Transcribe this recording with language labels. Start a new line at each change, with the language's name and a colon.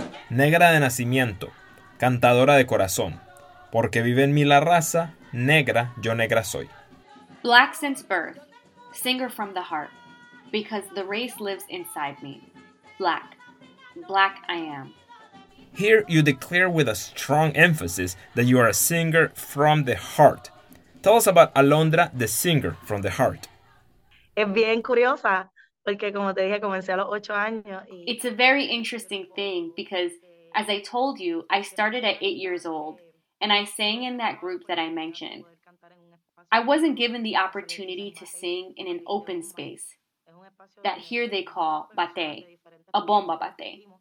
Spanish: Negra de nacimiento, cantadora de corazón, porque vive en mí la raza, negra yo negra soy.
English: Black since birth, singer from the heart, because the race lives inside me. Black, black I am. Here you declare with a strong emphasis that you are a singer from the heart. Tell us about Alondra, the singer from the heart.
Spanish: Es bien curiosa, porque como te dije, comencé a los 8 años.
English: It's a very interesting thing because, as I told you, I started at 8 years old and I sang in that group that I mentioned. I wasn't given the opportunity to sing in an open space that here they call bate, a bomba bate.